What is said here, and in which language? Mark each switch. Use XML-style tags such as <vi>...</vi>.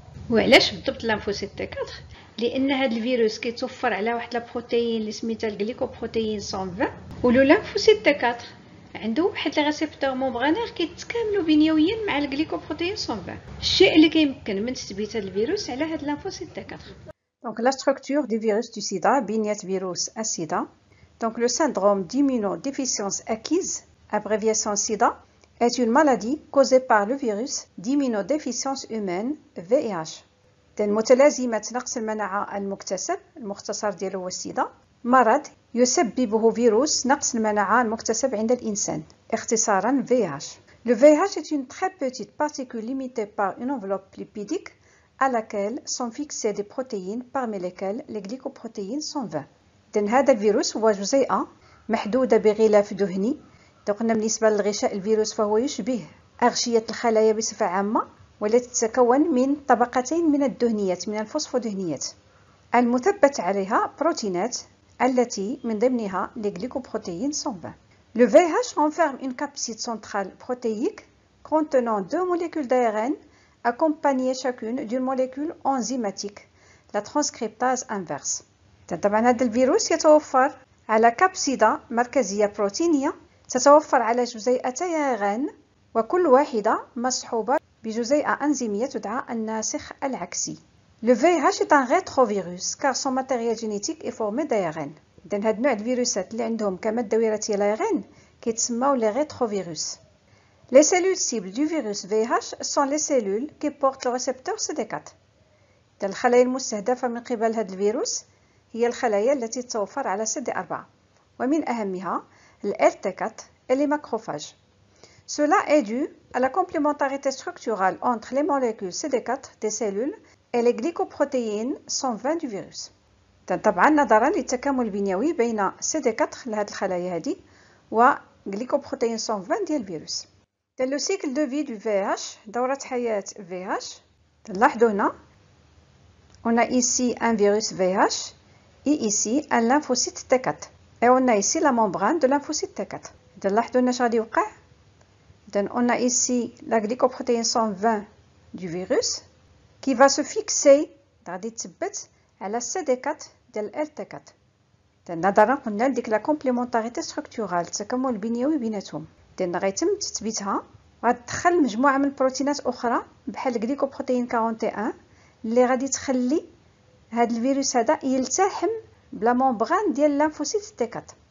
<ar>وعلاش بالضبط لانفوسيت تي 4؟ لان هاد الفيروس كيتوفر على واحد البروتيين اللي سميتها الجليكوبروتيين 120، ولو لانفوسيت تي 4 عنده واحد لي ريسيبتور مومبرانير كيتكاملوا بنيويا مع الجليكوبروتيين 120، الشيء اللي كيمكن من تثبيت هاد الفيروس على هاد لانفوسيت تي 4.</ar> <fr>دونك لا ستركتور دي فيروس دو سيدا،</fr> <ar>بنيه فيروس السيدا.</ar> <fr>Donc le syndrome d'immunodéficience acquise, abréviation SIDA, est une maladie causée par le virus d'immunodéficience humaine VIH.</fr> <ar>Den متلازمه نقص المناعه المكتسب، المختصر ديالو هو SIDA. مرض يسببه فيروس نقص المناعه المكتسب عند الانسان، اختصارا VIH.</ar> <fr>Le VIH est une très petite particule limitée par une enveloppe lipidique à laquelle sont fixées des protéines parmi lesquelles les glycoprotéines 120.</fr> <ar>إذن هذا الفيروس هو جزيئة محدودة بغلاف دهني. قلنا بالنسبة للغشاء الفيروس فهو يشبه أغشية الخلايا بصفة عامة، والتي تتكون من طبقتين من الدهنيات، من الفوسفودهنيات المثبت عليها بروتينات التي من ضمنها الجليكوبروتين 120.</ar> <fr>Le VIH enferme une capside centrale protéique contenant deux molécules d'ARN accompagnées chacune d'une molécule enzymatique, la transcriptase inverse.</fr> <ar>طبعا هذا الفيروس يتوفر على كبسيدة مركزية بروتينية تتوفر على جزيئتي ARN، وكل واحدة مصحوبة بجزيئة أنزيمية تدعى الناسخ العكسي.</ar> <fr>Le VIH est un rétrovirus car son matériel génétique est formé d'ARN.</fr> <ar>إذن هاد نوع الفيروسات اللي عندهم كمادة وراثية ARN كيتسموا لي rétrovirus.</ar> <fr>Les cellules cibles du virus VIH sont les cellules qui portent le récepteur CD4.</fr> <ar>إذن الخلايا المستهدفة من قبل هاد الفيروس هي الخلايا التي تتوفر على CD4، ومن أهمها الـ LT4 و الـ ماكروفاج.</ar> <fr>Cela est dû à la complémentarité structurale entre les molécules CD4 des cellules et les glycoprotéines 120 du virus.</fr> <ar>طبعا نظرا للتكامل البنيوي بين CD4 لهذه الخلايا هذه و glycoprotéine 120 ديال الفيروس.</ar> <fr>Dans le cycle de vie du VIH،</fr> <ar>دورة حياة VIH، نلاحظوا هنا</ar> <fr>on a ici un virus VIH et ici un lymphocyte T4. Et on a ici la membrane de lymphocyte T4.</fr> <ar>Donc, لاحظوا شنو غادي يوقع.</ar> <fr>Donc, on a ici la glycoprotéine 120 du virus qui va se fixer,</fr> <ar>غادي تثبت على CD4 ديال LT4. Donc, نظرا قلنا ديك</ar> <fr>la complémentarité structurale،</fr> <ar>التكامل البنيوي بيناتهم. Donc, غيتم تثبيتها وغتدخل مجموعة من بروتينات أخرى بحال الجليكوبروتين 41 اللي غادي تخلي هاد الفيروس هذا يلتحم بلا مومبران ديال لانفوسيت تي 4.</ar>